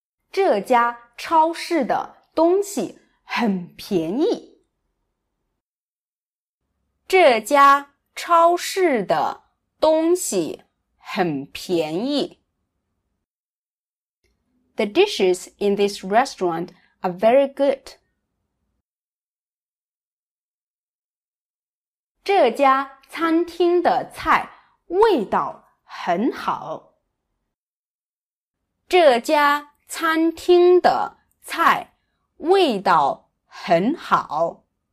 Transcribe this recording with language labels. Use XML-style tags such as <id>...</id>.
<zh>这家超市的东西很便宜。这家超市的东西很便宜。</zh> <en>The dishes in this restaurant are very good.</en> <zh>这家餐厅的菜味道很好。这家餐厅的菜味道很好。</zh>